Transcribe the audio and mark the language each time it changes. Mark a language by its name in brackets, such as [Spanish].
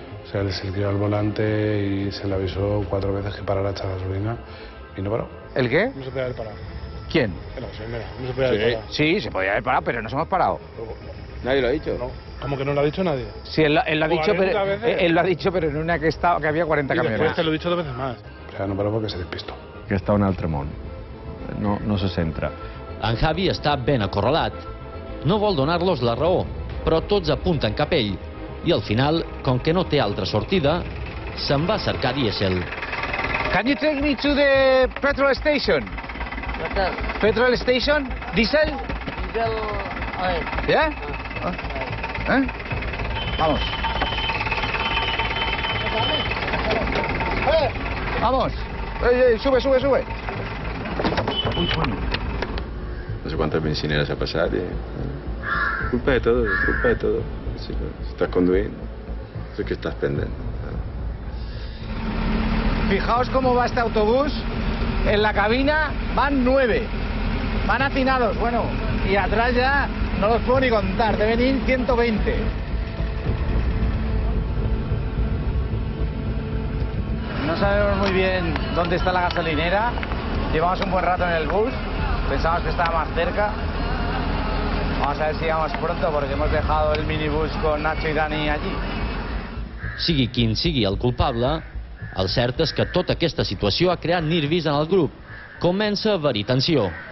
[Spanish] Se le sirvió al volante y se le avisó 4 veces que parara esta gasolina y no paró. ¿El qué? No se podía haber parado. ¿Quién? La gasolinera, no se podía haber parado. Sí, se podía haber parado, pero nos hemos parado. Nadie lo ha dicho. No. ¿Cómo que no lo ha dicho nadie? Sí, él lo ha dicho, pero él lo ha dicho, pero en una que estaba, que había 40 camiones. Y después te lo he dicho 2 veces más. [Catalan] Ja no paro perquè s'ha despistó. Que està un altre món. No, no se centra. En Javi està ben acorralat. No vol donar-los la raó, però tots apunten cap ell. I al final, com que no té altra sortida, se'n va a cercar diésel. [English] Can you take me to the petrol station? Petrol station? Diesel? Diesel... [Spanish] Yeah? Eh? Vamos. Vamos. Ey, sube. Uy, coño. No sé cuántas bencineras ha pasado. Culpa de todo, culpa de todo. Si estás conduciendo, es que estás pendiente. Fijaos cómo va este autobús. En la cabina van 9. Van hacinados, bueno. Y atrás ya no los puedo ni contar. Deben ir 120. No sabemos muy bien dónde está la gasolinera. Llevamos un buen rato en el bus. Pensamos que estaba más cerca. Vamos a ver si llegamos pronto porque hemos dejado el minibús con Nacho y Dani allí. [Catalan] Sigui quin sigui el culpable, el cert és que tota aquesta situació ha creat nervis en el grup. Comença a haver-hi tensió.